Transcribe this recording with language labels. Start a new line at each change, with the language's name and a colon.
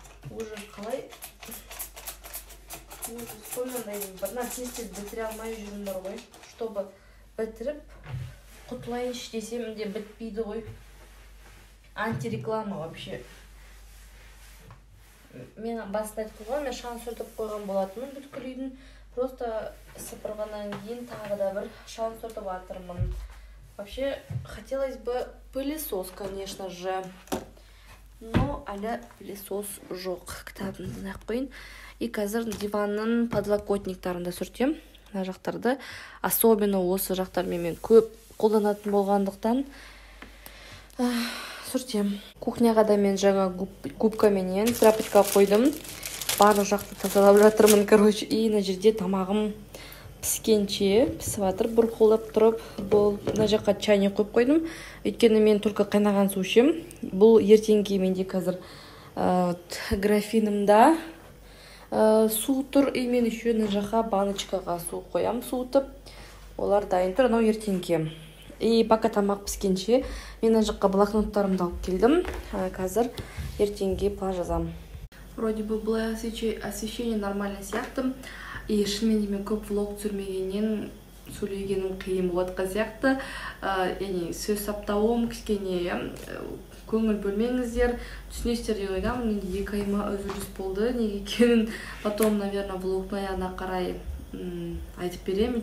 Kazakh: Уже қалай сонындай бір нәрсе бітіре алмай жүрмін бар ғой, чтобы бітіріп құтылайыншы десем де бітпейді ғой.
Russian: Антиреклама вообще.
Kazakh: Мен басында айтып қойған, мен шаң сүртіп қойған болатынмын бүткіл үйдің. Просто сыпырғаннан кейін тағы да бір шаң сүртіп жатырмын.
Russian: Вообще хотелось бы пылесос, конечно же, но
Kazakh: әлі пылесос жоқ. Кітабын мына жаққа қойын, и қазір диванның подлокотниктарын да сүртем. Мына жақтарды особенно осы жақтармен мен көп қолданатын болғандықтан сүртем. Кухняға да мен жаңа губкаменен тряпочка қойдым. барлық жақты тазалап жатырмын, короче, и мына жерде тамағым піскенше пісіп жатыр, бұрқылдап тұрып. Бұл мына жаққа чайник қойып қойдым, өйткені мен только қайнаған су ішемін. Бұл ертеңге менде қазір графинімда су тұр, и мен еще мына жаққа баночкаға су қоямын суытып, олар дайын тұр анау ертеңге. И пока тамақ піскенше мен мына жаққа блокноттарымды алып келдім, қазір ертеңге план жазамын.
Russian: Вроде бы было освещение нормально сияқты.
Kazakh: И шынымен де мен көп влог түсірмегеннен сөйлегенім қиын болып отқан сияқты. Яғни сөз саптауым кішкене, көңіл бөлмеңіздер, түсінесіздер деп ойлаймын. Енді екі айыма үзіліс болды, неге екенін
Russian: потом, наверное,
Kazakh: влогтың аяғына қарай айтып беремін.